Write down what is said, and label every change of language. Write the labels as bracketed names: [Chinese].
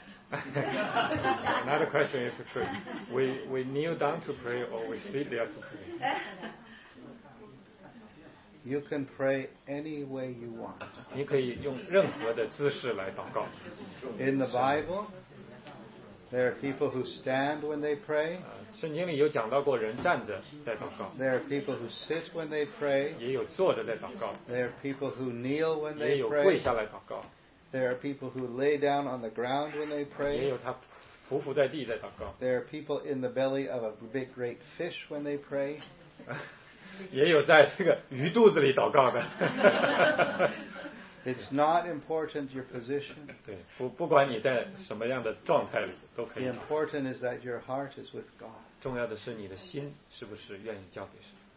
[Chinese] 那个还有一个问题，就是我们是坐着祷告，还是要跪下来？ [English] Another question is, we kneel down to pray or we sit there to pray? You can pray any way you want. [Chinese] 你可以用任何的姿势来祷告。 [English] In the Bible, there are people who stand when they pray. [Chinese] 圣经里有讲到过人站着在祷告。 [English] There are people who sit when they pray. [Chinese] 也有坐着在祷告。 [English] There are people who kneel when they pray. [Chinese] 也有跪下来祷告。 [English] There are people who lay down on the ground when they pray. [Chinese] 也有他匍匐在地在祷告。 [English] There are people in the belly of a big great fish when they pray. [Chinese] 也有在这个鱼肚子里祷告的。 [English] It's not important your position. [Chinese] 对，不管你在什么样的状态里都可以。 [English] The important is that your heart is with God. [Chinese] 重要的是你的心是不是愿意交给神。